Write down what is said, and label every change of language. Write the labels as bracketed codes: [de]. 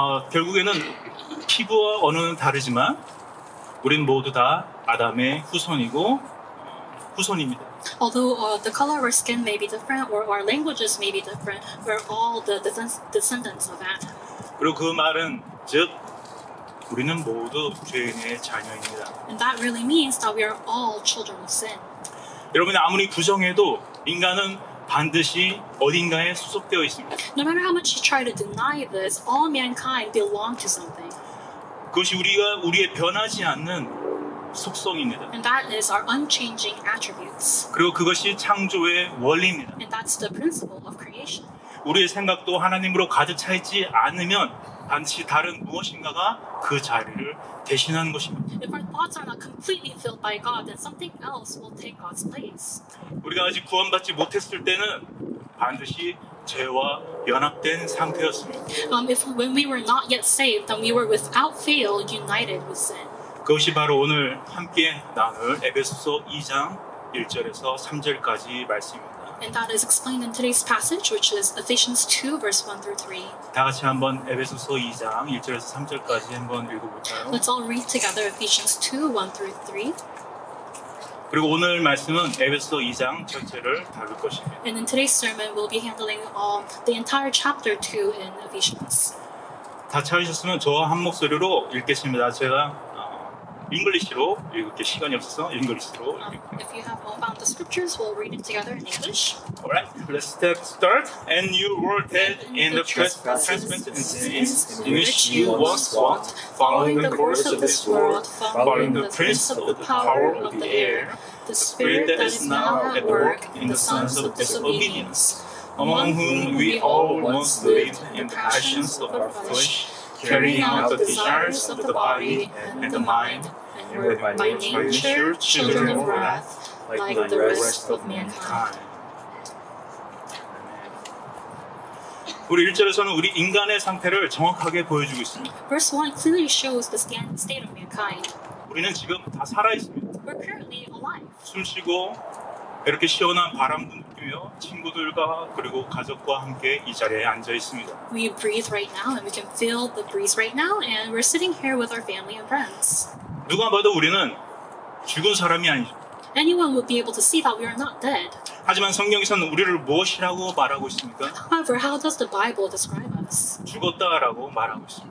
[ko] 결국에는 피부와 언어는 다르지만 우린 모두 다 아담의 후손이고 후손입니다. [en] Although the color of our skin may be different or our languages may be different, we're all the descendants of Adam. [ko] 그리고 그 말은 즉 우리는 모두 죄인의 자녀입니다. [en] And that really means that we are all children of sin. [ko] 여러분 아무리 부정해도 인간은 반드시 어딘가에 소속되어 있습니다. [en] No matter how much you try to deny this, all mankind belong to something. [ko] 그것이 우리의 변하지 않는 속성입니다. [en] And that is our unchanging attributes. [ko] 그리고 그것이 창조의 원리입니다. [en] And that's the principle of creation. [ko] 우리의 생각도 하나님으로 가득 차 있지 않으면 반드시 다른 무엇인가가 그 자리를 대신하는 것입니다. [en] If our thoughts are not completely filled by God, then something else will take God's place. [ko] 우리가 아직 구원받지 못했을 때는 반드시 죄와 연합된 상태였습니다. [en] If when we were not yet saved, then we were without fail united with sin. [ko] 그것이 바로 오늘 함께 나눌 에베소서 2장 1절에서 3절까지 말씀입니다. [en] And that is explained in today's passage, which is Ephesians 2, verse 1 through 3. [ko] 다 같이 한번 에베소서 2장 1절에서 3절까지 한번 읽어볼까요? [en] Let's all read together Ephesians 2, 1 through 3. [ko] 그리고 오늘 말씀은 에베소서 2장 전체를 다룰 것입니다. [en] And in today's sermon, we'll be handling the entire chapter 2 in Ephesians. [ko] 다 찾으셨으면 저와 한 목소리로 읽겠습니다. 제가 English로 읽을게. 시간이 없어서 English로 읽을게. [en] If you have all found the scriptures, we'll read it together in English. Alright, let's start. And you were dead in the trespasses and sins in which you once walked, following the course of this world, following the prince of the power of the air, the spirit that is now at work in the sons of disobedience, among whom we all once lived in the passions of our flesh, carrying out the desires of the body and the mind, and were by nature children of wrath, like the rest of mankind. [ko] 우리 1절에서는 우리 인간의 상태를 정확하게 보여주고 있습니다. [en] Verse 1 clearly shows the state of mankind. [ko] 우리는 지금 다 살아있습니다. [en] We're currently alive. [ko] 숨 쉬고 이렇게 시원한 바람도 느끼며 친구들과 그리고 가족과 함께 이 자리에 앉아 있습니다. [en] We breathe right now and we can feel the breeze right now and we're sitting here with our family and friends. [ko] 누가 봐도 우리는 죽은 사람이 아니죠. [en] Anyone would be able to see that we are not dead. [ko] 하지만 성경에서는 우리를 무엇이라고 말하고 있습니까? [en] However, how does the Bible describe us? [ko] 죽었다라고 말하고 있습니다.